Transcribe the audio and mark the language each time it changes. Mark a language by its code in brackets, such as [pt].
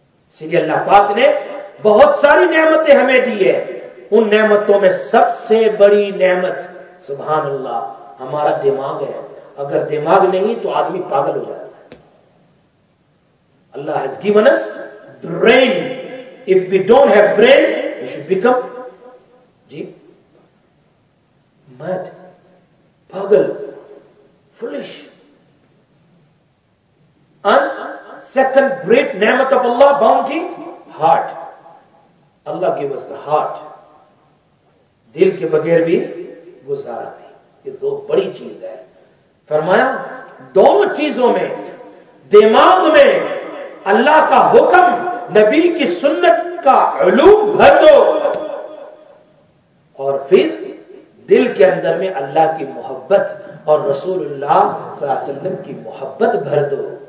[ur] اس لیے اللہ پاک نے بہت ساری نعمتیں ہمیں دی ہے، ان نعمتوں میں سب سے بڑی نعمت سبحان اللہ ہمارا دماغ ہے، اگر دماغ نہیں تو آدمی پاگل ہو جاتا ہے۔ اللہ [en] has given us brain. If we don't have brain, we should become mad, پاگل، foolish. Second great نعمت of Allah bounty, heart. Allah give us the heart. [ur] دل کے بغیر بھی گزارا نہیں، یہ دو بڑی چیز ہے۔ فرمایا دونوں چیزوں میں، دماغ میں اللہ کا حکم، نبی کی سنت کا علوم بھر دو، اور پھر دل کے اندر میں اللہ کی محبت اور رسول اللہ صلی اللہ علیہ وسلم کی محبت بھر دو۔